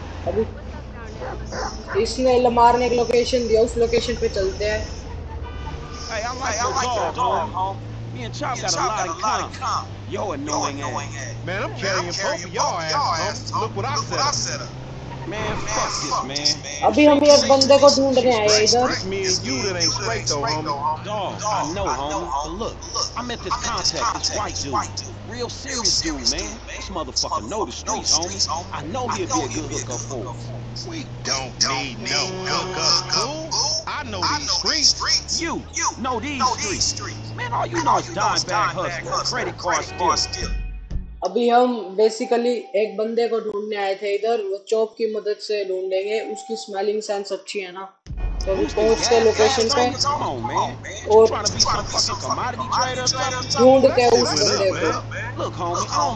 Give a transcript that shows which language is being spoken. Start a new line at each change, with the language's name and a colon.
Hindi: अभी इसने लमार ने एक लोकेशन दिया, उस लोकेशन पे चलते हैं।
English: Hey, I'm like, Me and Chop got a lot in common. Yo, annoying ass. Man, I'm carrying both of y'all ass. Look what I set up. Man, fuck this, man.
Hindi: अभी हम एक बंदे को ढूंढ रहे हैं इधर.
English: Me and you, that ain't straight though, homie. Dog, I know, homie. But look, I met this contact, this white dude. Real serious dude, man. This motherfucker know the streets, homie. I know he'll be a good hookup for us. We don't need no hookup, fool. I know these streets. You know these streets. Man, all you know is dimebag hustler, credit card stealer.
Hindi: अभी हम basically एक बंदे को ढूंढने आए थे इधर, वो चॉप की मदद से ढूंढेंगे, उसकी स्मेलिंग सेंस अच्छी है ना, तो अभी पहुंच के लोकेशन पे और ढूंढते हैं उस बंदे को।